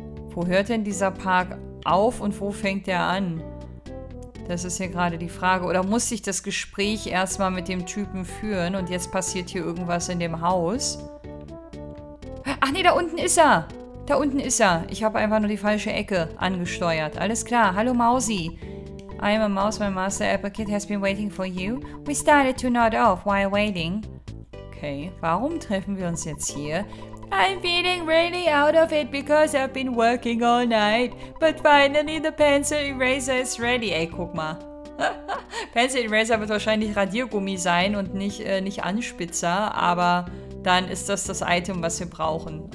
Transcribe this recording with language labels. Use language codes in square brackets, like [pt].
[de] Wo hört denn dieser Park auf und wo fängt der an? Das ist hier gerade die Frage. Oder muss ich das Gespräch erstmal mit dem Typen führen und jetzt passiert hier irgendwas in dem Haus? Ach nee, da unten ist er! Da unten ist er! Ich habe einfach nur die falsche Ecke angesteuert. Alles klar. Hallo Mausi. [en] I'm a mouse, my master Apple Kid has been waiting for you. We started to nod off while waiting. Okay, [de] warum treffen wir uns jetzt hier? [en] I'm feeling really out of it because I've been working all night. But finally the pencil eraser is ready. [de] Ey, guck mal. Pencil eraser wird wahrscheinlich Radiergummi sein und nicht Anspitzer. Aber dann ist das Item, was wir brauchen.